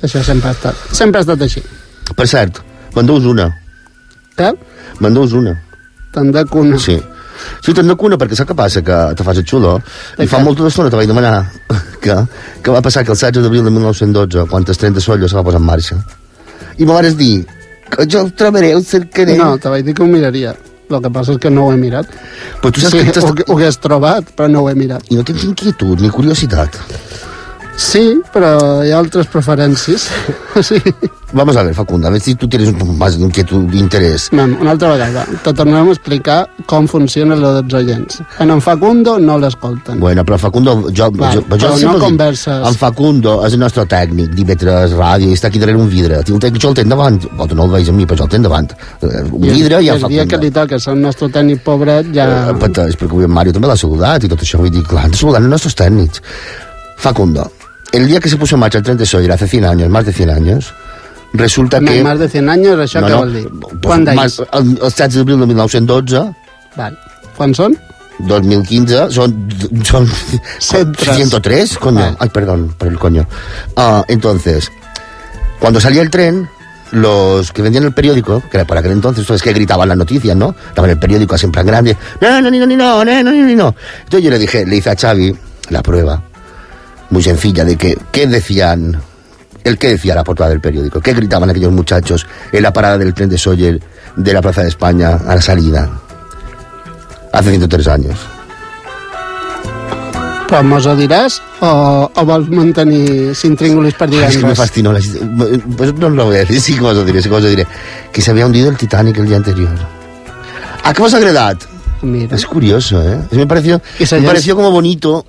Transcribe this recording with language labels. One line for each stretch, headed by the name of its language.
Catalan: Això sempre ha estat així. Per cert, mandeu-vos una. Què? Mandeu-vos una. Te'n dec una. Sí. Si te'n dec una, perquè sap què passa? Que te fas el xulo. I fa molta estona te vaig demanar que va passar que el 16 d'abril de 1912, quan el tren de Sollo se va posar en marxa. I me vas dir, que jo el trobaré, el cercaré. No, te vaig dir que ho miraria. El que passa és que no ho he mirat. Però tu saps que... Sí, ho hagués trobat, però no ho he mirat. I no tens inquietud ni curiositat? Sí, però hi ha altres preferències. Sí. Vamos a ver, Facunda, a ver si tu tienes un más inquietud d'interès. Una altra vegada, te tornarem a explicar com funciona lo dels oients. En Facundo no l'escolten. Bueno, però Facundo... Però no converses. En Facundo és el nostre tècnic, divetres, ràdio, i està aquí darrere un vidre. Jo el tenc davant. Bueno, no el veig a mi, però jo el tenc davant. Un vidre i en Facundo. I el dia que li toques el nostre tècnic pobret, ja... Pateix, perquè avui en Mario també l'ha saludat i tot això. Vull dir, clar, han de saludar els nostres tècnics.
Spanish: Facundo, el dia que se puso en marcha el tren de Sollera, hace 100 años, más de 100 años, resulta que...
Catalan: No,
Spanish: más de 100 años,
Catalan: això què vol dir? Quan d'ahir? El 16 d'abril de 1912. Val. Quan són? 2015, són... 103, coño.
Spanish: Ay, perdón, por el coño. Entonces, cuando salía el tren, los que vendían el periódico, que era para aquel entonces, es que gritaban las noticias, ¿no? Estaban en el periódico así en plan grande. No. Entonces yo le hice a Xavi la prueba. Muy sencilla, de que, ¿qué decían? ¿El qué decía la portada del periódico? ¿Qué gritaban aquellos muchachos en la parada del tren de Sóller de la Plaza de España a la salida? Hace 103 años.
Catalan: Però mos ho diràs o vols mantenir s'intríngulis per dir-ho?
Spanish: És que me fascinó. Pues no lo voy a decir,
Catalan: sí que mos ho diré. Que s'havia hundido el Titanic el dia anterior. ¿A què vos ha agradat? Mira.
Spanish: Es curioso, ¿eh? Es me pareció como bonito.